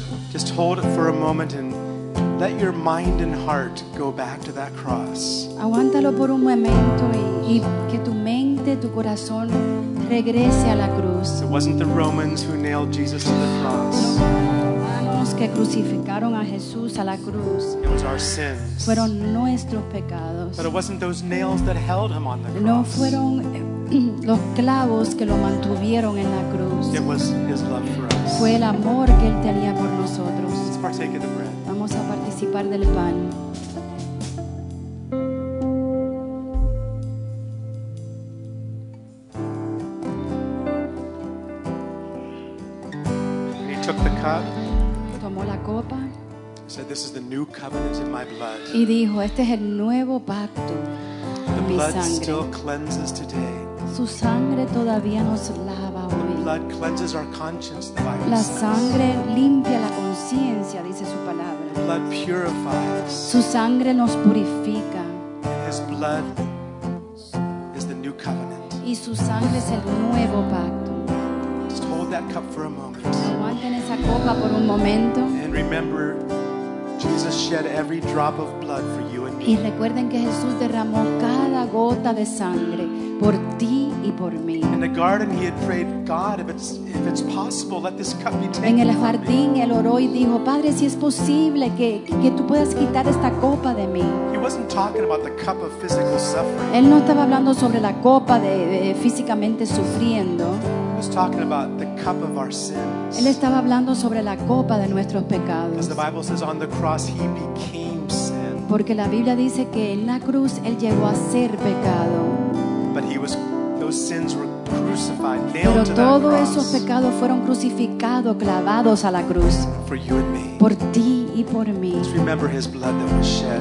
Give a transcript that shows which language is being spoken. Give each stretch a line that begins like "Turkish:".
English: Just hold it for a moment and let your mind and heart go back to that cross.
Spanish: Aguántalo por un momento y que tu mente, tu corazón regrese a la cruz.
English: It wasn't the Romans who nailed Jesus to the cross.
Spanish: Los que crucificaron a Jesús a la cruz.
English: It was our sins.
Spanish: Fueron nuestros pecados.
English: But it wasn't those nails that held him on the cross.
Spanish: No fueron los clavos que lo mantuvieron en la cruz.
English: It was his love for us.
Spanish: Fue el amor que él tenía por nosotros.
English: Let's partake of the bread.
Spanish: Vamos a participar del pan.
English: He took the cup.
Spanish: Tomó la copa.
English: He said, "This is the new covenant in my blood."
Spanish: Y dijo, "Este es el nuevo pacto en mi sangre."
English: The blood still cleanses today.
Spanish: Su sangre todavía nos lava hoy.
English: The blood cleanses our conscience, the Bible
Spanish: la sangre
English: says.
Spanish: Limpia la conciencia, dice su palabra.
English: The blood purifies.
Spanish: Su sangre nos purifica.
English: His blood is the new covenant.
Spanish: Y su sangre es el nuevo pacto.
English: Just hold that cup for a moment.
Spanish: Aguanten esa copa por un momento.
English: And remember, Jesus shed every drop of blood for you and me.
Spanish: Y recuerden que Jesús derramó cada gota de sangre por ti y por mí.
English: In the garden he had prayed, God, if it's possible, let this cup be taken.
Spanish: En el jardín él oró y dijo, Padre, si es posible que tú puedas quitar esta copa de mí.
English: He wasn't talking about the cup of physical suffering.
Spanish: Él no estaba hablando sobre la copa de físicamente sufriendo.
English: He was talking about the cup of our sins.
Spanish: Él estaba hablando sobre la copa de nuestros pecados.
English: Because the Bible says on the cross he became sin.
Spanish: Porque la Biblia dice que en la cruz él llegó a ser pecado.
English: But those sins were crucified, nailed to cross.
Spanish: Pero todos esos pecados fueron crucificados, clavados a la cruz.
English: For you and me.
Spanish: Por ti y por mí.
English: Just remember his blood that was shed.